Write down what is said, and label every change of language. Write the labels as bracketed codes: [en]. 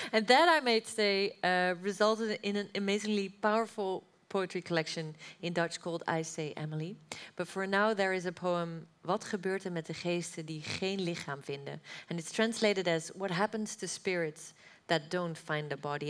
[en] And that, I may say, resulted in an amazingly powerful poetry collection in Dutch called I Say Emily. But for now, there is a poem, [nl] Wat gebeurt er met de geesten die geen lichaam vinden? [en] And it's translated as, What happens to spirits that don't find a body?